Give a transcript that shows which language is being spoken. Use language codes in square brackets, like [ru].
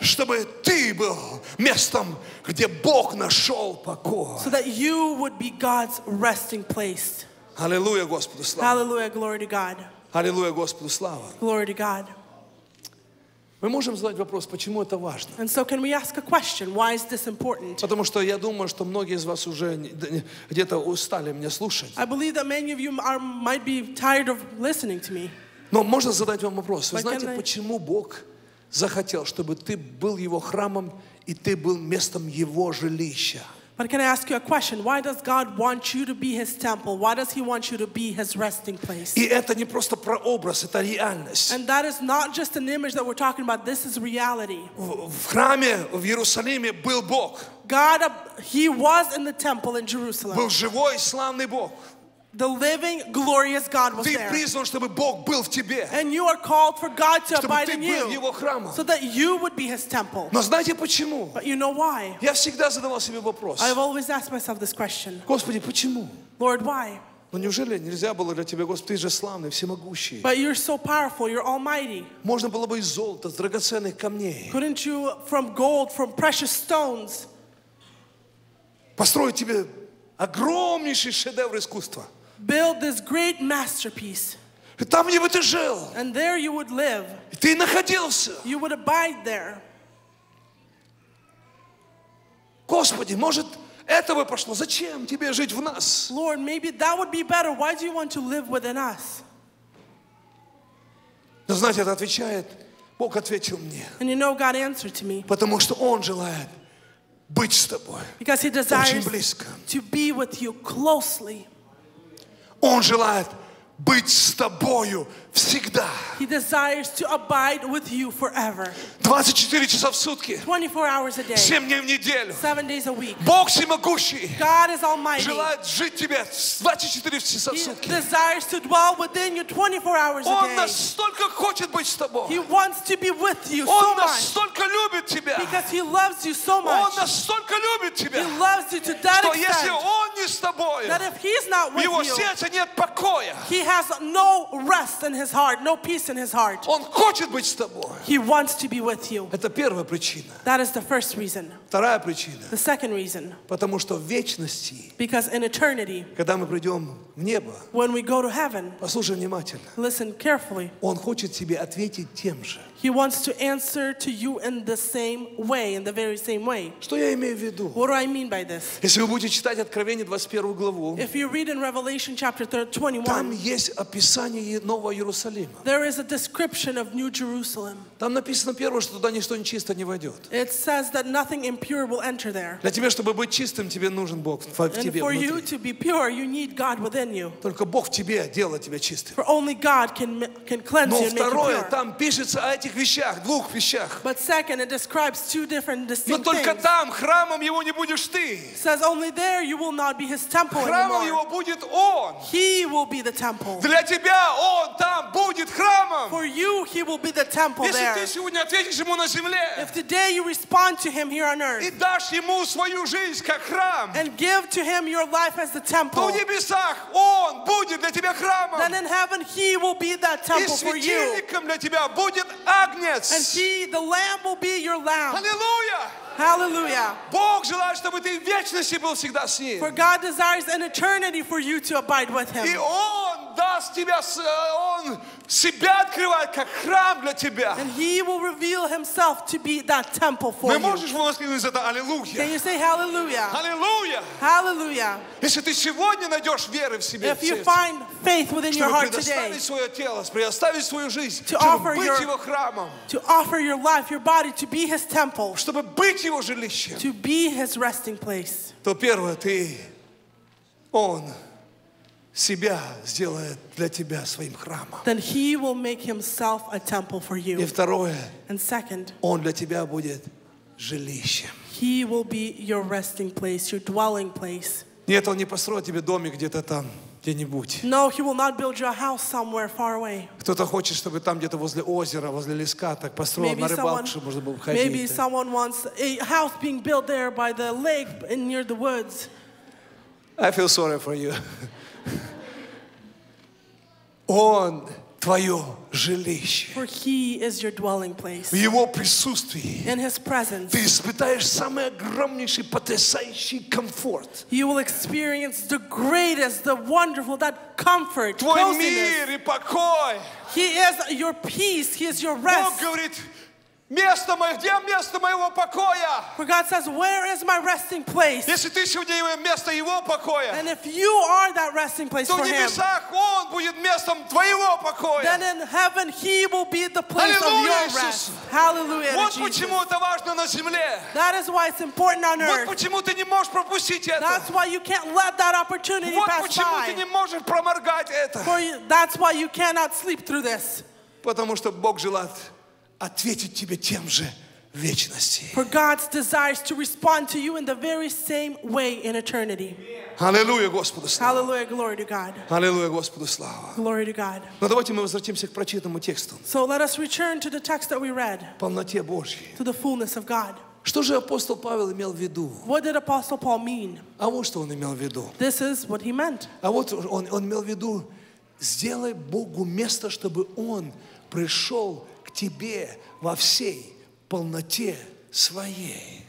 [ru] Чтобы ты был местом, где Бог нашел покой. [en] So that you would be God's resting place. [ru] Hallelujah, Господу слава. [en] Hallelujah, glory to God. [ru] Hallelujah, Господу слава. [en] Glory to God. [ru] Мы можем задать вопрос, почему это важно? [en] And so can we ask a question? Why is this important? [ru] Потому что я думаю, что многие из вас уже где-то устали меня слушать. [en] I believe that many of you are, might be tired of listening to me. [ru] Но можно задать вам вопрос. Вы знаете, почему Бог захотел, чтобы ты был Его храмом и ты был местом Его жилища? [en] But can I ask you a question? Why does God want you to be His temple? Why does He want you to be His resting place? [ru] И это не просто прообраз, это реальность. [en] And that is not just an image that we're talking about. This is reality. [ru] В храме в Иерусалиме был Бог. [en] God, He was in the temple in Jerusalem. [ru] Был живой и славный Бог. [en] The living, glorious God was there. [ru] Ты призван, чтобы Бог был в тебе. [en] And you are called for God to [ru] чтобы [en] abide in you. [ru] Чтобы ты был Его храмом. [en] So that you would be His temple. [ru] Но знаете почему? [en] But you know why? [ru] Я всегда задавал себе вопрос. [en] I've always asked myself this question. [ru] Господи, почему? [en] Lord, why? [ru] Но неужели нельзя было для тебя, Господи, ты же славный, всемогущий. [en] But you're so powerful, you're almighty. [ru] Можно было бы из золота, из драгоценных камней. [en] Couldn't you, from gold, from precious stones, [ru] построить тебе огромнейший шедевр искусства? [en] Build this great masterpiece. [ru] И там, где бы ты жил. [en] And there you would live. [ru] И ты находился. [en] You would abide there. [ru] Господи, может, это бы пошло. Зачем тебе жить в нас? [en] Lord, maybe that would be better. Why do you want to live within us? [ru] Но знаете, это отвечает. Бог ответил мне. [en] And you know God answered to me. [ru] Потому что Он желает быть с тобой. [en] Because He desires [ru] очень близко. [en] To be with you closely. [ru] Он желает быть с тобою всегда. [en] He desires to abide with you forever. [ru] 24 часа в сутки. [en] 24 hours a day. [ru] 7 дней в неделю. [en] 7 days a week. [ru] Бог всемогущий. [en] God is almighty. [ru] Желает жить тебе 24 часа в сутки. [en] He desires to dwell within you 24 hours a day. Он настолько хочет быть с тобой. He wants to be with you so much. [ru] Он настолько любит тебя. [en] Because He loves you so much. [ru] Он настолько любит тебя. [en] He loves you to that extent. [ru] Что если Он не с тобой, [en] that if He's not with you, [ru] в его сердце нет покоя. [en] He has no rest in His heart, no peace in His heart. [ru] Он хочет быть с тобой. [en] He wants to be with you. [ru] Это первая причина. [en] That is the first reason. [ru] Вторая причина. [en] The second reason. [ru] Потому что в вечности, [en] because in eternity, [ru] когда мы придем в небо, [en] when we go to heaven, [ru] послушай внимательно, [en] listen carefully, [ru] Он хочет тебе ответить тем же. [en] He wants to answer to you in the same way, in the very same way. [ru] Что я имею в виду? [en] What do I mean by this? [ru] Если вы будете читать Откровение 21 главу, [en] if you read in Revelation chapter 21, [ru] там есть описание Нового Иерусалима. [en] There is a description of New Jerusalem. [ru] Там написано первое, что туда ничто нечисто не войдет. [en] It says that nothing impure will enter there. [ru] Для тебя, чтобы быть чистым, тебе нужен Бог в тебе внутри. [en] And for you to be pure, you need God within you. [ru] Только Бог в тебе делает тебя чистым. [en] For only God can cleanse you and make you pure. [ru] Но второе, там пишется о этих вещах, двух вещах. [en] But second, it describes two different distinct things. [ru] Но только там храмом его не будешь ты. [en] It says only there you will not be His temple anymore. [ru] Храмом его будет Он. [en] He will be the temple. [ru] Для тебя Он там будет храмом. [en] For you, He will be the temple there. [ru] Если ты сегодня ответишь Ему на земле, [en] if today you respond to Him here on earth, [ru] и дашь Ему свою жизнь как храм, [en] and give to Him your life as the temple, [ru] то в небесах Он будет для тебя храмом. [en] Then in heaven, He will be that temple for you. [ru] И светильником для тебя будет агнец. [en] And she, the lamb, will be your lamb. Hallelujah. Hallelujah. [ru] Бог желает, чтобы ты в вечности был всегда с ним. [en] For God desires an eternity for you to abide with him. [ru] И он даст тебя, он себя открывает как храм для тебя. [en] And he will reveal himself to be that temple for you. [ru] Мы можешь воскликнуть это Аллилуйя. [en] Can you say hallelujah? Hallelujah. Hallelujah. [ru] Если ты сегодня найдешь веры в себе, [en] if you find faith within your heart today, [ru] чтобы предоставить свое тело, предоставить свою жизнь, чтобы быть его храмом, [en] to offer your life, your body, to be his temple, [ru] чтобы быть его жилищем, [en] to be his resting place, [ru] то первое ты, он себя сделает для тебя своим храмом. [en] Then he will make himself a temple for you. [ru] И второе, [en] and second, [ru] он для тебя будет жилищем. [en] He will be your resting place, your dwelling place. [ru] Нет, он не построит тебе домик где-то там, где-нибудь. [en] No, he will not build you a house somewhere far away. [ru] Кто-то хочет, чтобы там где-то возле озера, возле леска так построил, на рыбалку, чтобы можно было ходить. [en] Maybe someone wants a house being built there by the lake and near the woods. I feel sorry for you. [ru] Он твое жилище. [en] For he is your dwelling place. [ru] В его присутствии. [en] In his presence. [ru] Ты испытаешь самый огромнейший, потрясающий комфорт. [en] You will experience the greatest, the wonderful, that comfort, [ru] твой мир и покой. [en] He is your peace. He is your rest. [ru] Бог говорит, место мое, где место моего покоя? [en] For God says, where is my resting place? [ru] Если ты сегодня его место его покоя, [en] and if you are that resting place for him, [ru] то в небесах он будет местом твоего покоя. [en] Then in heaven he will be the place Hallelujah, of your Jesus. Rest. Hallelujah, [ru] вот [en] Jesus. [ru] Вот почему это важно на земле. [en] That is why it's important on earth. [ru] Вот почему ты не можешь пропустить это. [en] That's why you can't let that opportunity [ru] вот [en] pass by. [ru] Вот почему ты не можешь проморгать это. [en] For you, that's why you cannot sleep through this. [ru] Потому что Бог желает ответить тебе тем же в вечности. [en] For God's desires to respond to you in the very same way in eternity. [ru] Аллилуйя, Господу слава. [en] Hallelujah, glory to God. [ru] Аллилуйя, Господу слава. [en] Glory to God. [ru] Но давайте мы возвратимся к прочитанному тексту. [en] So let us return to the text that we read. [ru] Полноте Божьей. [en] To the fullness of God. [ru] Что же апостол Павел имел в виду? [en] What did Apostle Paul mean? [ru] А вот что он имел в виду. [en] This is what he meant. [ru] А вот он имел в виду, сделай Богу место, чтобы он пришел тебе во всей полноте своей.